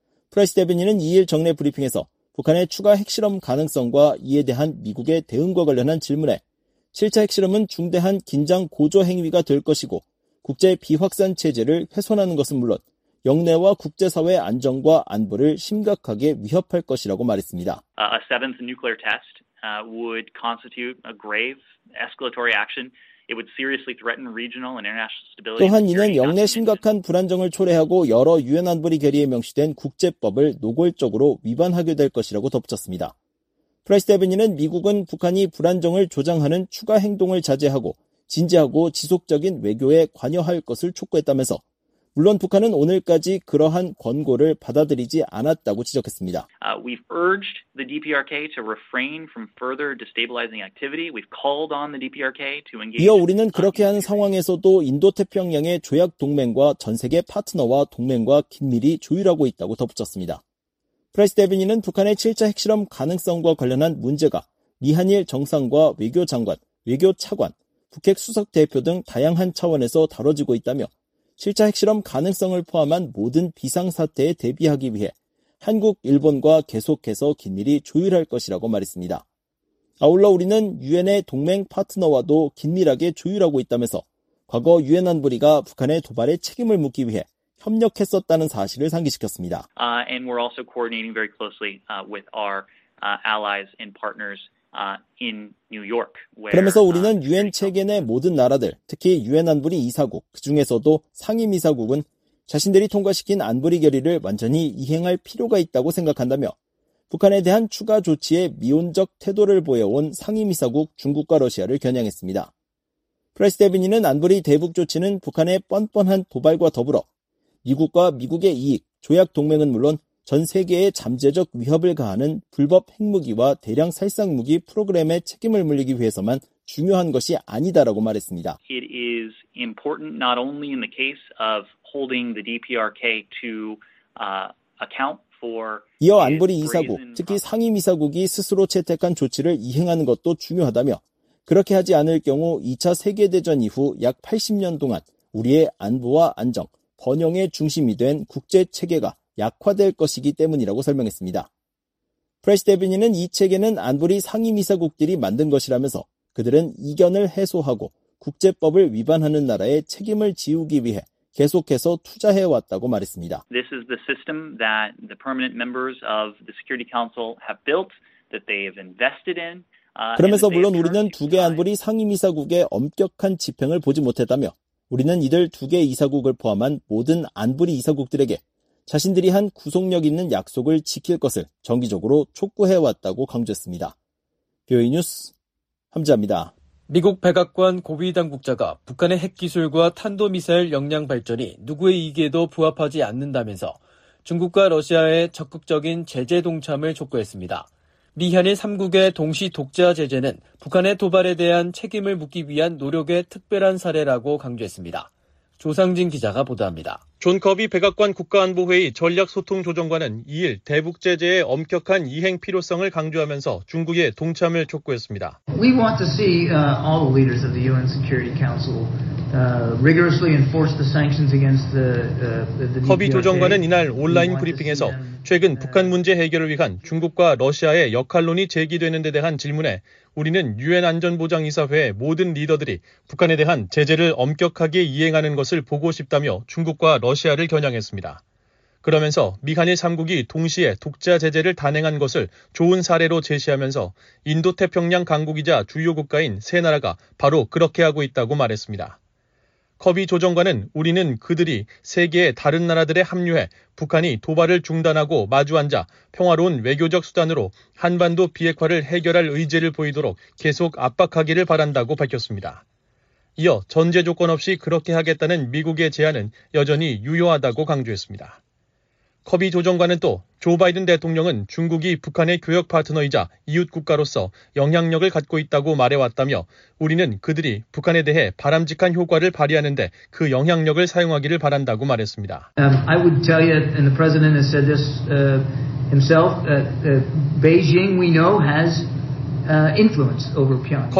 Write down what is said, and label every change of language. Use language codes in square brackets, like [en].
[ko] 프라이스 대변인은 2일 정례 브리핑에서 북한의 추가 핵실험 가능성과 이에 대한 미국의 대응과 관련한 질문에 7차 핵실험은 중대한 긴장 고조 행위가 될 것이고 국제 비확산 체제를 훼손하는 것은 물론 영내와 국제사회 안정과 안보를 심각하게 위협할 것이라고 말했습니다. [en] A seventh nuclear test would constitute a grave escalatory action. It would seriously threaten regional and international stability. [ko] 또한 이는 영내 심각한 불안정을 초래하고 여러 유엔 안보리 결의에 명시된 국제법을 노골적으로 위반하게 될 것이라고 덧붙였습니다. 프라이스 대변인은 미국은 북한이 불안정을 조장하는 추가 행동을 자제하고 진지하고 지속적인 외교에 관여할 것을 촉구했다면서 물론 북한은 오늘까지 그러한 권고를 받아들이지 않았다고 지적했습니다. [en] We've urged the DPRK to refrain from further destabilizing activity. We've called on the DPRK to engage. [ko] 이어 우리는 그렇게 하는 상황에서도 인도태평양의 조약 동맹과 전 세계 파트너와 동맹과 긴밀히 조율하고 있다고 덧붙였습니다. 프라이스 데비니는 북한의 7차 핵실험 가능성과 관련한 문제가 미한일 정상과 외교장관, 외교차관, 북핵 수석 대표 등 다양한 차원에서 다뤄지고 있다며 7차 핵실험 가능성을 포함한 모든 비상사태에 대비하기 위해 한국, 일본과 계속해서 긴밀히 조율할 것이라고 말했습니다. 아울러 우리는 유엔의 동맹 파트너와도 긴밀하게 조율하고 있다면서 과거 유엔 안보리가 북한의 도발에 책임을 묻기 위해 협력했었다는 사실을 상기시켰습니다. [en] And we're also coordinating very closely with our allies and partners. In New York, where, [ko] 그러면서 우리는 유엔 체계 내 모든 나라들, 특히 유엔 안보리 이사국, 그중에서도 상임 이사국은 자신들이 통과시킨 안보리 결의를 완전히 이행할 필요가 있다고 생각한다며 북한에 대한 추가 조치에 미온적 태도를 보여온 상임 이사국 중국과 러시아를 겨냥했습니다. 프라이스 데비니는 안보리 대북 조치는 북한의 뻔뻔한 도발과 더불어 미국과 미국의 이익, 조약 동맹은 물론 전 세계에 잠재적 위협을 가하는 불법 핵무기와 대량 살상무기 프로그램에 책임을 물리기 위해서만 중요한 것이 아니다라고 말했습니다. [en] It is important not only in the case of holding the DPRK to account for [ko] 이어 안보리 이사국, 특히 상임 이사국이 스스로 채택한 조치를 이행하는 것도 중요하다며 그렇게 하지 않을 경우 2차 세계대전 이후 약 80년 동안 우리의 안보와 안정, 번영의 중심이 된 국제체계가 약화될 것이기 때문이라고 설명했습니다. 프레시 데비니는 이 체계는 안보리 상임이사국들이 만든 것이라면서 그들은 이견을 해소하고 국제법을 위반하는 나라의 책임을 지우기 위해 계속해서 투자해왔다고 말했습니다. [en] This is the system that the permanent members of the Security Council have built, that they have invested in. [ko] 그러면서 물론 우리는 두 개 안보리 상임이사국의 엄격한 집행을 보지 못했다며 우리는 이들 두 개 이사국을 포함한 모든 안보리 이사국들에게 자신들이 한 구속력 있는 약속을 지킬 것을 정기적으로 촉구해왔다고 강조했습니다. 뷰이 뉴스 함지아입니다. 미국 백악관 고위 당국자가 북한의 핵기술과 탄도미사일 역량 발전이 누구의 이익에도 부합하지 않는다면서 중국과 러시아의 적극적인 제재 동참을 촉구했습니다. 미한일 3국의 동시 독자 제재는 북한의 도발에 대한 책임을 묻기 위한 노력의 특별한 사례라고 강조했습니다. 조상진 기자가 보도합니다. 존 커비 백악관 국가안보회의 전략소통조정관은 2일 대북제재의 엄격한 이행 필요성을 강조하면서 중국의 동참을 촉구했습니다. [en] We want to see all the leaders of the UN Security Council rigorously enforce the sanctions against the [ko] 커비 조정관은 이날 온라인 브리핑에서 최근 북한 문제 해결을 위한 중국과 러시아의 역할론이 제기되는 데 대한 질문에 우리는 유엔 안전보장이사회의 모든 리더들이 북한에 대한 제재를 엄격하게 이행하는 것을 보고 싶다며 중국과 러시아를 겨냥했습니다. 그러면서 미한일 3국이 동시에 독자 제재를 단행한 것을 좋은 사례로 제시하면서 인도태평양 강국이자 주요 국가인 세 나라가 바로 그렇게 하고 있다고 말했습니다. 커비 조정관은 우리는 그들이 세계의 다른 나라들에 합류해 북한이 도발을 중단하고 마주앉아 평화로운 외교적 수단으로 한반도 비핵화를 해결할 의지를 보이도록 계속 압박하기를 바란다고 밝혔습니다. 이어 전제 조건 없이 그렇게 하겠다는 미국의 제안은 여전히 유효하다고 강조했습니다. 커비 조정관은 또 조 바이든 대통령은 중국이 북한의 교역 파트너이자 이웃 국가로서 영향력을 갖고 있다고 말해왔다며 우리는 그들이 북한에 대해 바람직한 효과를 발휘하는 데 그 영향력을 사용하기를 바란다고 말했습니다. [en] I would tell you, and the president has said this himself, Beijing, we know, has influence over Pyongyang.